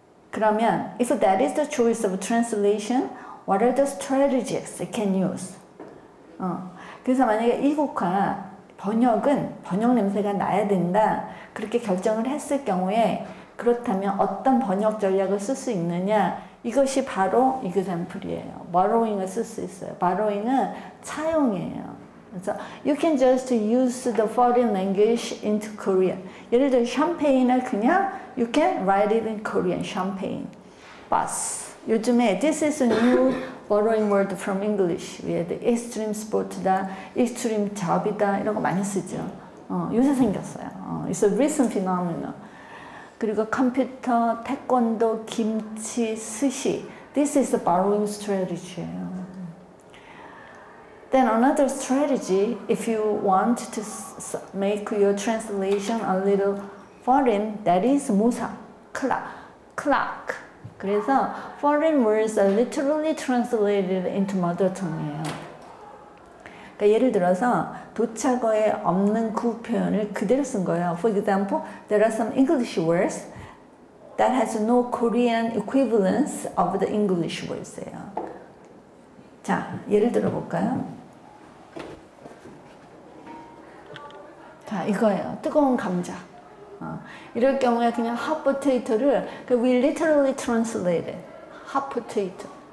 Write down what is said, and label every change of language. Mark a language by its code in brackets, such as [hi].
[ko] 그러면 [en] if that is the choice of translation, what are the strategies they can use? [ko] 어, 그래서 만약에 이국화 번역은 번역 냄새가 나야 된다 그렇게 결정을 했을 경우에 그렇다면 어떤 번역 전략을 쓸 수 있느냐 이것이 바로 example이에요. Borrowing을 쓸 수 있어요. Borrowing은 차용이에요. [en] So you can just use the foreign language into Korean. [ko] 예를 들어 [en] champagne을 [ko] 그냥 [en] you can write it in Korean. Champagne, bus. [ko] 요즘에 [en] this is a new borrowing word from English. We had extreme sport다, extreme job이다 [ko] 이런 거 많이 쓰죠. 어, 요새 생겼어요. 어, [en] it's a recent phenomenon. [ko] 그리고 컴퓨터, 태권도, 김치, 스시. [en] This is a borrowing strategy예요. Then another strategy, if you want to make your translation a little foreign, that is 모사, clock. [ko] 그래서 [en] foreign words are literally translated into mother tongue이에요. [ko] 그러니까 예를 들어서 도착어에 없는 그 표현을 그대로 쓴 거예요. [en] For example, there are some English words that has no Korean equivalents of the English words예요. [ko] 자, 예를 들어 볼까요? 자, 이거예요. 뜨거운 감자. 이럴 경우에 그냥 hot potato를 [en] we literally translated hot potato.